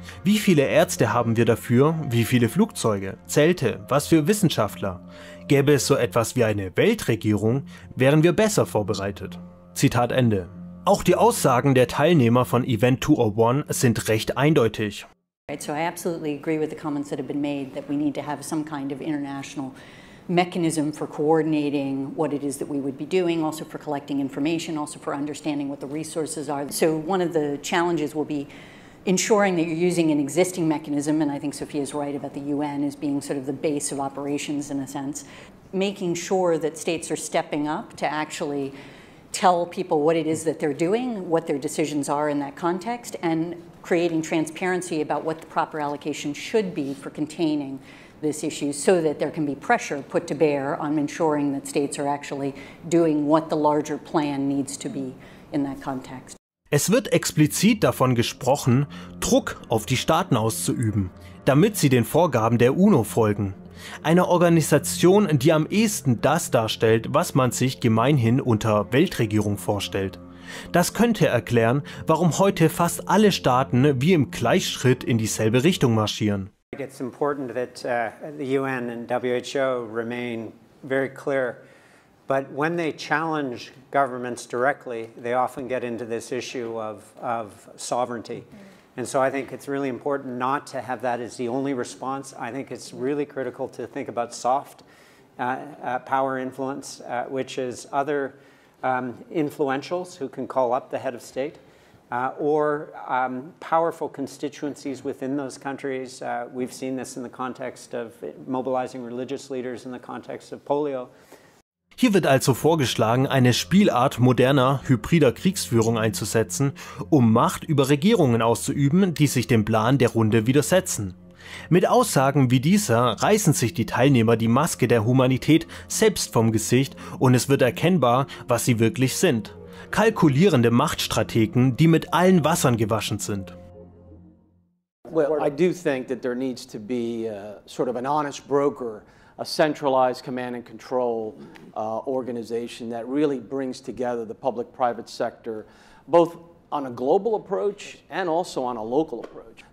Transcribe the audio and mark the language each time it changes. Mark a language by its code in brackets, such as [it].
[de] Wie viele Ärzte haben wir dafür, wie viele Flugzeuge, Zelte, was für Wissenschaftler? Gäbe es so etwas wie eine Weltregierung, wären wir besser vorbereitet. Zitat Ende. Auch die Aussagen der Teilnehmer von Event 201 sind recht eindeutig. [en] Right, so I absolutely agree with the comments that have been made that we need to have some kind of international mechanism for coordinating what it is that we would be doing, also for collecting information, also for understanding what the resources are. So one of the challenges will be ensuring that you're using an existing mechanism, and I think Sophia's right about the UN as being sort of the base of operations in a sense, making sure that states are stepping up to actually tell people what it is that they're doing, what their decisions are in that context, and creating transparency about what the proper allocation should be for containing this issue so that there can be pressure put to bear on ensuring that states are actually doing what the larger plan needs to be in that context. [de] Es wird explizit davon gesprochen, Druck auf die Staaten auszuüben, damit sie den Vorgaben der UNO folgen. Eine Organisation, die am ehesten das darstellt, was man sich gemeinhin unter Weltregierung vorstellt. Das könnte erklären, warum heute fast alle Staaten wie im Gleichschritt in dieselbe Richtung marschieren. [en] It's important that the UN and WHO remain very clear. But when they challenge governments directly, they often get into this issue of sovereignty. And so I think it's really important not to have that as the only response. I think it's really critical to think about soft power influence, which is other influentials who can call up the head of state, or powerful constituencies within those countries. We've seen this in the context of mobilizing religious leaders in the context of polio. [de] Hier wird also vorgeschlagen, eine Spielart moderner, hybrider Kriegsführung einzusetzen, um Macht über Regierungen auszuüben, die sich dem Plan der Runde widersetzen. Mit Aussagen wie dieser reißen sich die Teilnehmer die Maske der Humanität selbst vom Gesicht und es wird erkennbar, was sie wirklich sind. Kalkulierende Machtstrategen, die mit allen Wassern gewaschen sind. [en] Well, I do think that there needs to be sort of an honest broker, a centralized command and control organization that really brings together the public-private sector, both on a global approach and also on a local approach.